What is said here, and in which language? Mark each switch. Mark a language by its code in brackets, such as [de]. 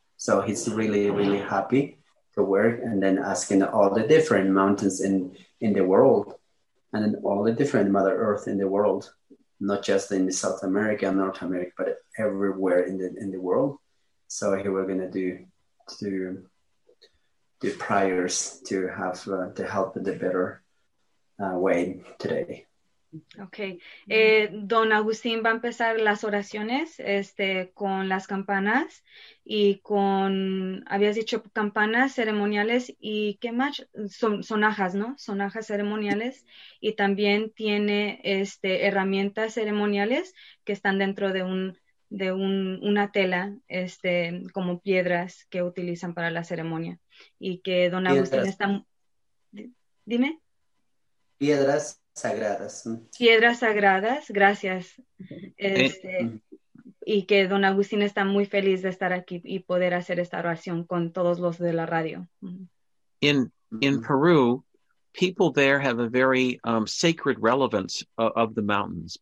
[en] So he's really, really happy to work and then asking all the different mountains in the world and then all the different Mother Earth in the world, not just in South America, North America, but everywhere in the world. So here we're gonna do priors to have to help in the better way today. Okay. [es] Don Agustín va a empezar las oraciones con las campanas y con, habías dicho campanas ceremoniales y qué más, sonajas, ¿no? Sonajas ceremoniales y también tiene herramientas ceremoniales que están dentro de una tela como piedras que utilizan para la ceremonia. Y que don Agustín está... Dime. Piedras sagradas. Piedras sagradas, gracias. Y que don Agustín está muy feliz de estar aquí y poder hacer esta oración con todos los de la radio. [en] In Peru, people there have a very sacred relevance of the mountains.